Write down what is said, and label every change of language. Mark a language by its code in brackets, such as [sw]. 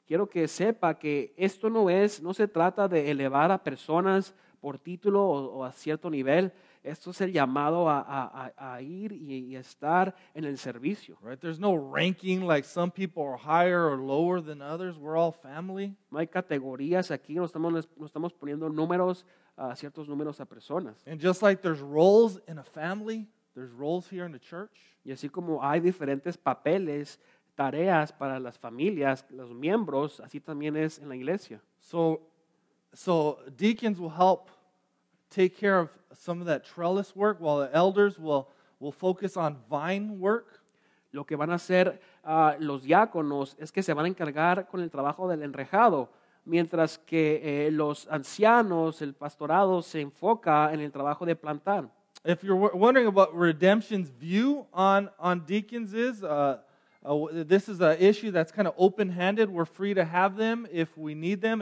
[es] Quiero que sepa que esto no se trata de elevar a personas por título o a cierto nivel. Esto es el llamado a ir y estar en el servicio. [en] Right, there's no ranking like some people are higher or lower than others. We're all family. [es] No hay categorías aquí, no estamos poniendo números, ciertos números a personas. [en] And just like there's roles in a family, there's roles here in the church. [es] Y así como hay diferentes papeles, tareas para las familias, los miembros, así también es en la iglesia. [en] So deacons will help take care of some of that trellis work, while the elders will focus on vine work. [es] Lo que van a hacer los diáconos es que se van a encargar con el trabajo del enrejado, mientras que los ancianos, el pastorado, se enfoca en el trabajo de plantar. [en] If you're wondering about Redemption's view on deacons is... this is an issue that's kind of open-handed. We're free to have them if we need them.